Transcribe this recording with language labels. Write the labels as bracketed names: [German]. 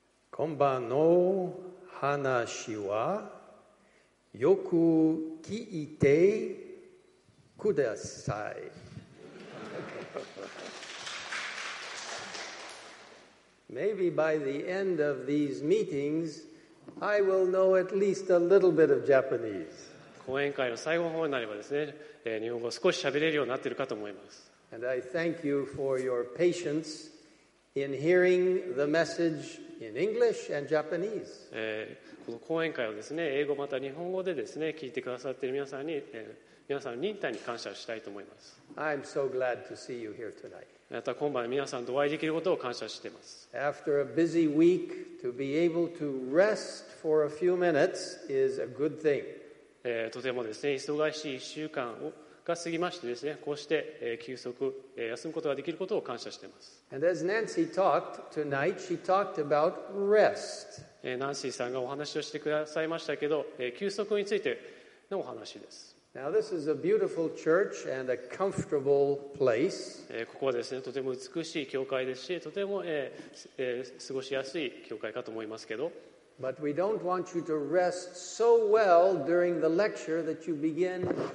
[Japanese] こんばんの話はよく聞いてください。 [English] Maybe by the end of these meetings, I will know at least a little bit of Japanese. [Japanese] 講演会の最後の方になればですね、日本語を少し喋れるようになっているかと思います。 [English] And I thank you for your patience in hearing the message. In English and Japanese. [Japanese] この講演会をですね、英語また日本語でですね、聞いてくださっている皆さんに、皆さんの忍耐に感謝したいと思います。 [English] I'm so glad to see you here tonight. [Japanese] また今晩皆さんとお会いできることを感謝しています。 [English] After a busy week, to be able to rest for a few minutes is a good thing. [Japanese] とてもですね、忙しい1週間をが過ぎましてですね、こうして休息、休むことができることを感謝しています。 [English] And as Nancy talked tonight, she talked about rest. [Japanese] ナンシーさんがお話をしてくださいましたけど、休息についてのお話です。 [English] Now this is a beautiful church and a comfortable place. [Japanese] ここはですね、とても美しい教会ですし、とても、過ごしやすい教会かと思いますけど。 [English] But we don't want you to rest so well during the lecture that you begin.